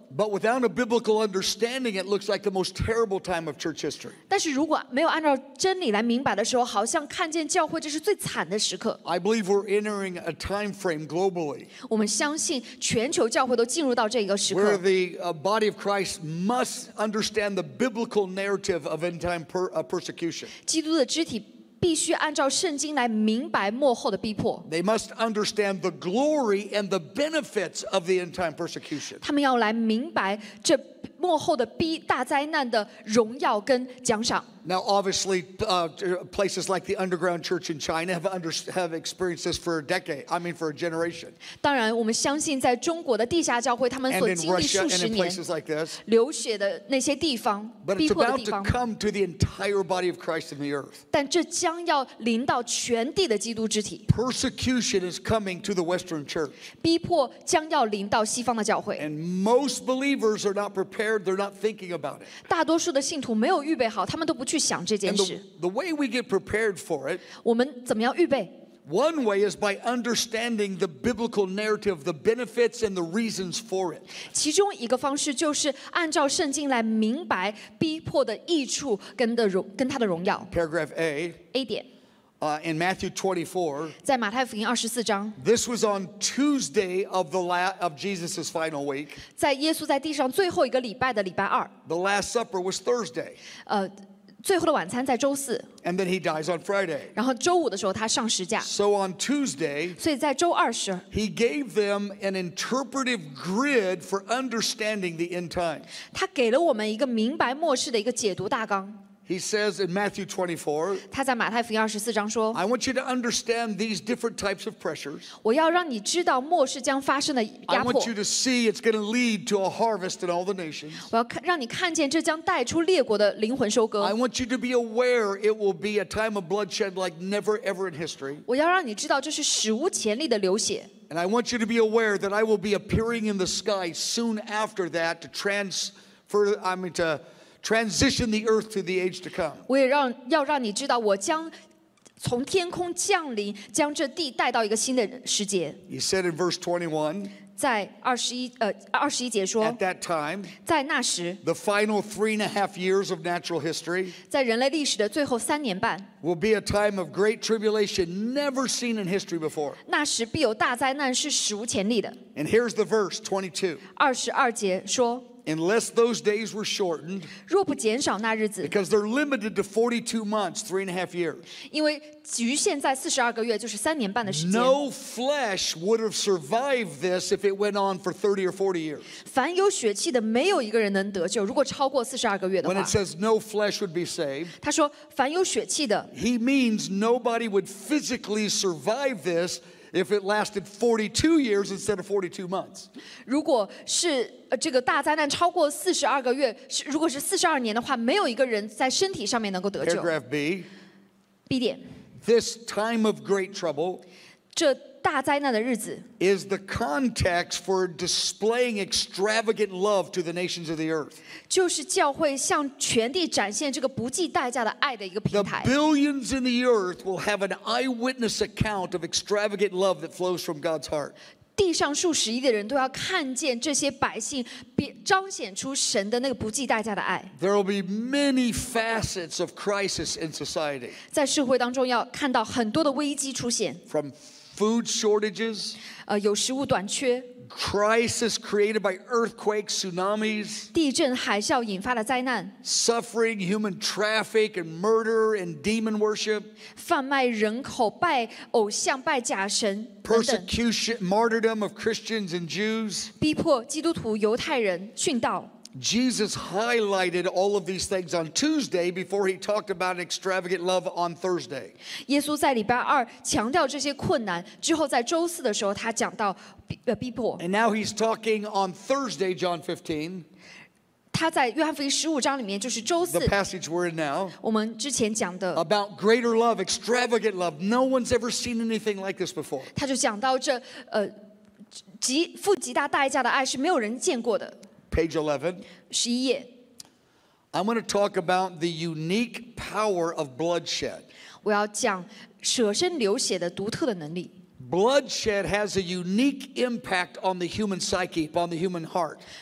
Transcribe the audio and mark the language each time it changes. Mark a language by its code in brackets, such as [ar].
[en] But without a biblical understanding, it looks like the most terrible time of church history. [zh] 但是如果没有按照真理来明白的时候，好像看见教会这是最惨的时刻。 [en] I believe we're entering a time frame globally. [zh] 我们相信全球教会都进入到这个时刻。 [en] Where the body of Christ must understand the biblical narrative of end-time persecution. [zh] 基督的肢体必须按照圣经来明白末后的逼迫。 [en] They must understand the glory and the benefits of the end-time persecution. [zh] 他们要来明白这末后的逼大灾难的荣耀跟奖赏。 [en] Now, obviously, places like the underground church in China have experienced this for a decade. I mean, for a generation. [zh] 当然，我们相信在中国的地下教会，他们所经历数十年。 [en] And in places like this, [zh] 流血的那些地方，逼迫的地方。 [en] But it's about to come to the entire body of Christ in the earth. [zh] 但这将要临到全地的基督肢体。 [en] Persecution is coming to the Western church. [zh] 逼迫将要临到西方的教会。 [en] And most believers are not prepared. They're not thinking about it. [zh] 大多数的信徒没有预备好，他们都不。 [en] And the way we get prepared for it, [zh] 我们怎么样预备？ [en] One way is by understanding the biblical narrative, the benefits and the reasons for it. [zh] 其中一个方式就是按照圣经来明白逼迫的益处跟它的荣耀。 [en] Paragraph A. [zh] A 点。 [en] In Matthew 24, [zh] 在马太福音二十四章 [en] this was on Tuesday of the of Jesus's final week. [zh] 在耶稣在地上最后一个礼拜的礼拜二 [en] the Last Supper was Thursday. [zh] 最后的晚餐在周四 [en] and then he dies on Friday. [zh] 然后周五的时候他上十架 [en] so on Tuesday, [zh] 所以在周二时 [en] he gave them an interpretive grid for understanding the end times. [zh] 他给了我们一个明白末世的一个解读大纲。 [en] He says in Matthew 24, [zh] 他在马太福音二十四章说 [en] I want you to understand these different types of pressures. [zh] 我要让你知道末世将发生的压迫。 [en] I want you to see it's going to lead to a harvest in all the nations. [zh] 我要让你看见这将带出列国的灵魂收割。 [en] I want you to be aware it will be a time of bloodshed like never ever in history. [zh] 我要让你知道这是史无前例的流血。 [en] And I want you to be aware that I will be appearing in the sky soon after that to transfer, I mean to transition the earth to the age to come. [zh] 我也要让你知道，我将从天空降临，将这地带到一个新的时节。 [en] He said in verse 21. [zh] 在二十一节说。 [en] At that time. [zh] 在那时。 [en] The final 3.5 years of natural history. [zh] 在人类历史的最后三年半。 [en] Will be a time of great tribulation never seen in history before. [zh] 那时必有大灾难，是史无前例的。 [en] And here's the verse 22. [zh] 二十二节说。 [en] Unless those days were shortened, [zh] 若不减少那日子 [en] because they're limited to 42 months, 3.5 years. [zh] 因为局限在四十二个月，就是三年半的时间。 [en] No flesh would have survived this if it went on for 30 or 40 years. [zh] 凡有血气的，没有一个人能得救。如果超过四十二个月的话 [en] when it says no flesh would be saved, [zh] 他说凡有血气的 [en] he means nobody would physically survive this. If it lasted 42 years instead of 42 months. [zh] 如果是这个大灾难超过四十二个月，如果是四十二年的话，没有一个人在身体上面能够得救。 [en] Paragraph B. [zh] B 点 [en] This time of great trouble. [zh] 这大灾难的日子 [en] is the context for displaying extravagant love to the nations of the earth. [zh] 就是教会向全地展现这个不计代价的爱的一个平台。 [en] The billions in the earth will have an eyewitness account of extravagant love that flows from God's heart. [zh] 地上数十亿的人都要看见这些百姓彰显出神的那个不计代价的爱。 [en] There will be many facets of crisis in society. [zh] 在社会当中要看到很多的危机出现。 [en] From food shortages, [zh] 有食物短缺 [en] crisis created by earthquakes, tsunamis, [zh] 地震海啸引发的灾难 [en] suffering, human traffic, and murder, and demon worship, [zh] 贩卖人口拜偶像拜假神 [en] persecution, martyrdom of Christians and Jews, [zh] 逼迫基督徒犹太人殉道 [en] Jesus highlighted all of these things on Tuesday before he talked about extravagant love on Thursday. [zh] 耶稣在礼拜二强调这些困难之后在周四的时候他讲到逼迫 [en] And now he's talking on Thursday, John 15. [zh] 他在约翰福音十五章里面就是周四 [en] The passage we're in now. [zh] 我们之前讲的 [en] About greater love, extravagant love. No one's ever seen anything like this before. [zh] 他就讲到这付极大代价的爱是没有人见过的 [en] Page 11. [zh] 11页 [en] I want to talk about the unique power of bloodshed. [zh] 我要讲舍身流血的独特的能力 [en] Bloodshed has a unique impact on the human psyche, on the human heart.